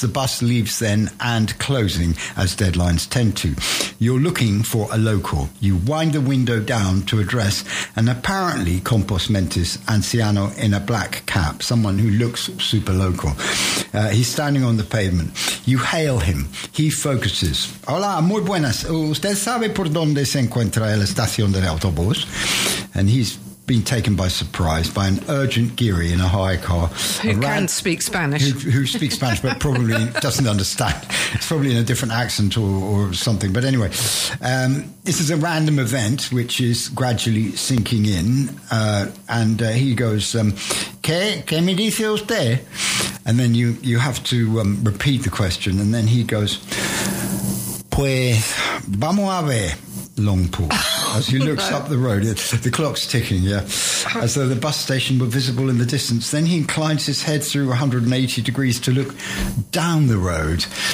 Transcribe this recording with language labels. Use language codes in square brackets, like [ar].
[en] The bus leaves then and closing, as deadlines tend to. You're looking for a local. You wind the window down to address an apparently compos mentis anciano in a black cap, someone who looks super local. He's standing on the pavement. You hail him. He focuses. [es] Hola, muy buenas. ¿Usted sabe por dónde se encuentra la estación del autobús? [en] And he's been taken by surprise by an urgent giri in a hire car. Who can speak Spanish. Who speaks Spanish, but probably doesn't understand. It's probably in a different accent or something. But anyway, this is a random event which is gradually sinking in. He goes, [es] ¿Qué me dice usted? [en] And then you have to repeat the question. And then he goes, [es] pues vamos a ver. [en] Long pause as he looks up the road. The clock's ticking, yeah, as though the bus station were visible in the distance. Then he inclines his head through 180 degrees to look down the road.